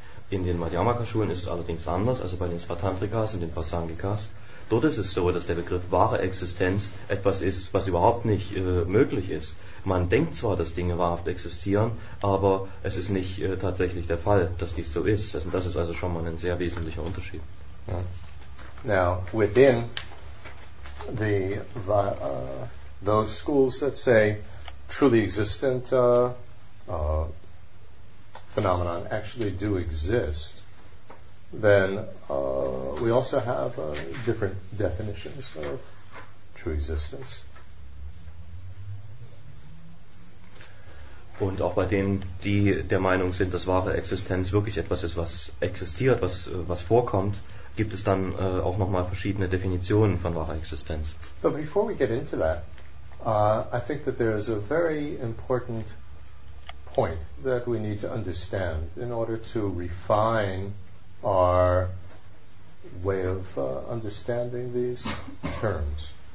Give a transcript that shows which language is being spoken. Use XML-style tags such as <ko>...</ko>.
<de>In den Madhyamaka-Schulen ist es allerdings anders, also bei den Svatantrikas und den Prasangikas. Dort ist es so, dass der Begriff wahre Existenz etwas ist, was überhaupt nicht möglich ist. Man denkt zwar, dass Dinge wahrhaft existieren, aber es ist nicht tatsächlich der Fall, dass dies so ist. Das ist also schon mal ein sehr wesentlicher Unterschied. Ja.</de> <en>Now, within the those schools that say truly existent phenomenon actually do exist, then we also have different definitions of true existence.</en> <de>Und auch bei denen, die der Meinung sind, dass wahre Existenz wirklich etwas ist, was existiert, was vorkommt, gibt es dann auch nochmal verschiedene Definitionen von wahrer Existenz.</de> <en>But before we get into that, I think that there is a very important point that we need to understand in order to refine our way of understanding these terms.</en>